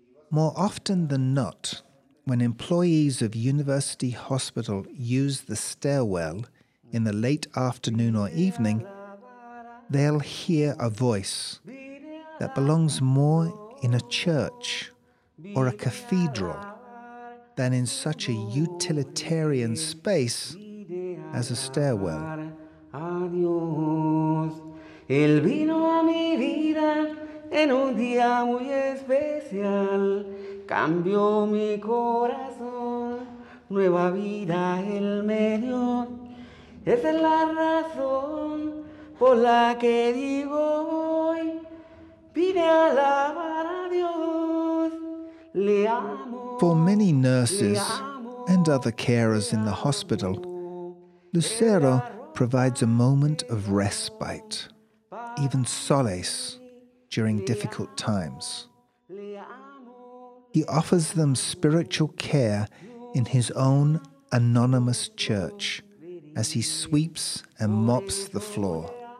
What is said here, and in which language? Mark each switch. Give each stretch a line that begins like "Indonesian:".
English: More often than not, when employees of University Hospital use the stairwell in the late afternoon or evening, they'll hear a voice that belongs more in a church or a cathedral than in such a utilitarian space as a stairwell.
Spanish: Adiós, él vino a mi vida en un día muy especial, cambió mi corazón, nueva vida él me dio, esa es la razón por la que digo hoy, vine a alabar a Dios, le amo.
English: For many nurses and other carers in the hospital, Lucero provides a moment of respite, even solace, during difficult times. He offers them spiritual care in his own anonymous church as he sweeps and mops the floor.